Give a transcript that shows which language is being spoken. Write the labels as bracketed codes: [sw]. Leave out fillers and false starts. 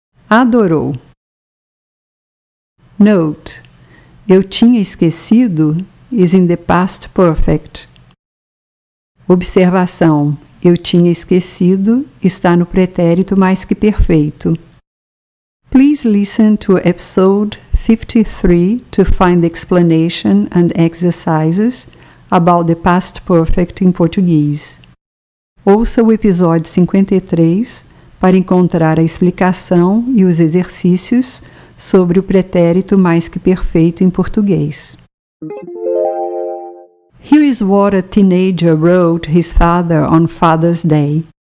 [pt] Adorou. [en] Note: [pt] eu tinha esquecido [en] is in the past perfect. [pt] Observação: eu tinha esquecido está no pretérito mais que perfeito. [en] Please listen to episode 53 to find the explanation and exercises about the past perfect in Portuguese. [pt] Ouça o episódio 53 para encontrar a explicação e os exercícios sobre o pretérito mais que perfeito em português. [en] Here is what a teenager wrote his father on Father's Day.